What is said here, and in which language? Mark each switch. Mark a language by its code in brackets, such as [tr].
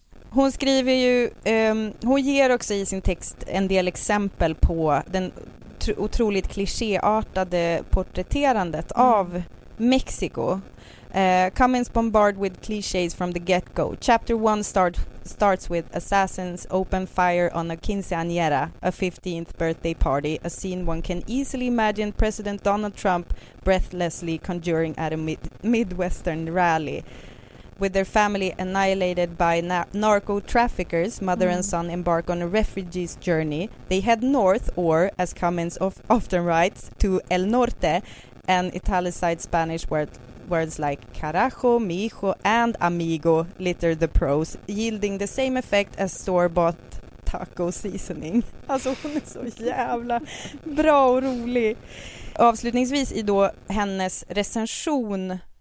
[sv] Hon skriver ju, hon ger också i sin text en del exempel på den otroligt klischéartade porträtterandet av Mexiko. [en] "Cummins bombard with clichés from the get-go. Chapter 1 starts with assassins open fire on a quinceañera, a 15th birthday party, a scene one can easily imagine President Donald Trump breathlessly conjuring at a Midwestern rally. With their family annihilated by narco traffickers, mother and son embark on a refugee's journey. They head north, or, as Cummins often writes, to El Norte, an italicized Spanish words like carajo, mijo, and amigo litter the prose, yielding the same effect as store-bought taco seasoning." [sv] Alltså hon är så jävla bra och rolig. Avslutningsvis i då hennes recension